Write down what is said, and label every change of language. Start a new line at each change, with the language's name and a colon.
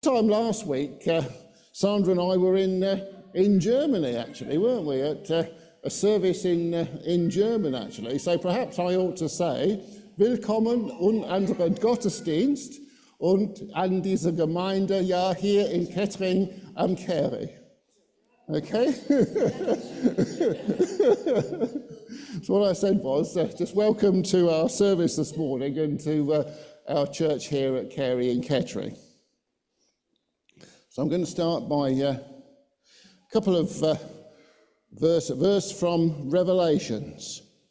English: Time last week, Sandra and I were in Germany, actually, weren't we? At a service in German, actually.
German: So perhaps I ought to say, Willkommen und Gottesdienst und an diese Gemeinde ja hier in Kettering am Kerry.
English: Okay? So what I said was, just welcome to our service this morning and to our church here at Kerry in Kettering. So I'm going to start by a couple of verse from Revelations.